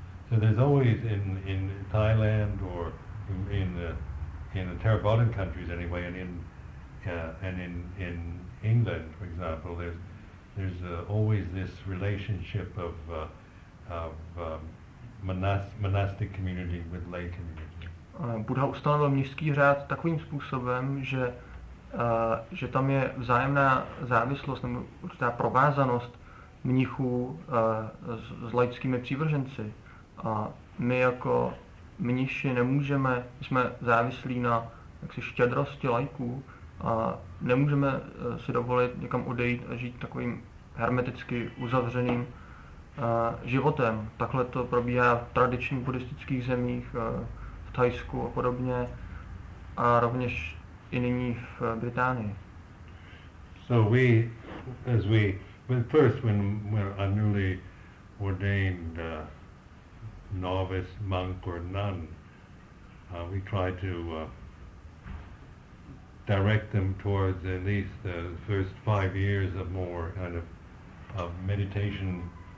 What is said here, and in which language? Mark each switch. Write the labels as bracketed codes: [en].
[en] So there's always in Thailand or in the Theravadan countries anyway, and in England, for example, there's always this relationship of monastic community with lay community. [cs] Buddha ustanovil městský řád takovým způsobem, že tam je vzájemná závislost nebo určitá provázanost mnichů s laickými přívrženci. A my jako mniši nemůžeme, my jsme závislí na jaksi štědrosti laiků a nemůžeme si dovolit někam odejít a žít takovým hermeticky uzavřeným životem. Takhle to probíhá v tradičních buddhistických zemích, Thajsku a podobně, a rovněž i nyní v Británii. [en] So we, as we, when first when we're a newly ordained novice monk or nun, we try to direct them towards at least the first 5 years of more kind of meditation